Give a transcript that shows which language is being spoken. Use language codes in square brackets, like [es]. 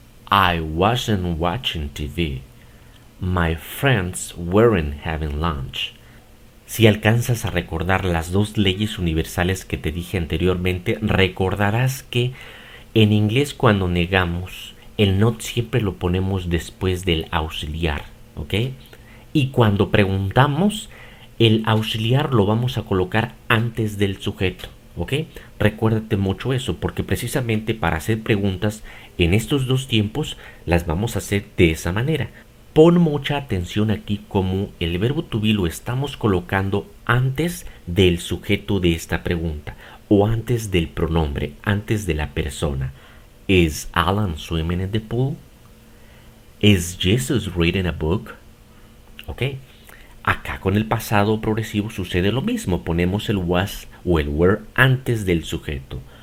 [en] I wasn't watching TV. My friends weren't having lunch. [es] Si alcanzas a recordar las dos leyes universales que te dije anteriormente, recordarás que en inglés cuando negamos, el not siempre lo ponemos después del auxiliar, ¿ok? Y cuando preguntamos, el auxiliar lo vamos a colocar antes del sujeto, ¿ok? Recuérdate mucho eso, porque precisamente para hacer preguntas en estos dos tiempos, las vamos a hacer de esa manera. Pon mucha atención aquí como el verbo to be lo estamos colocando antes del sujeto de esta pregunta o antes del pronombre, antes de la persona. [en] ¿Is Alan swimming in the pool? ¿Is Jesus reading a book? Ok. [es] Acá con el pasado progresivo sucede lo mismo. Ponemos el was o el were antes del sujeto.